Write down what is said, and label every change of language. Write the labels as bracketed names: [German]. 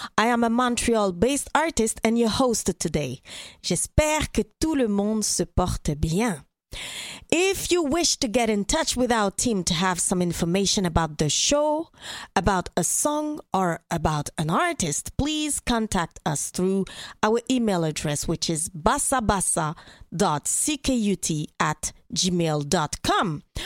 [English] I am a Montreal-based artist and your host today. [French] J'espère que tout le monde se porte bien. [English] If you wish to get in touch with our team to have some information about the show, about a song, or about an artist, please contact us through our email address, which is bassabassa.ckut@gmail.com.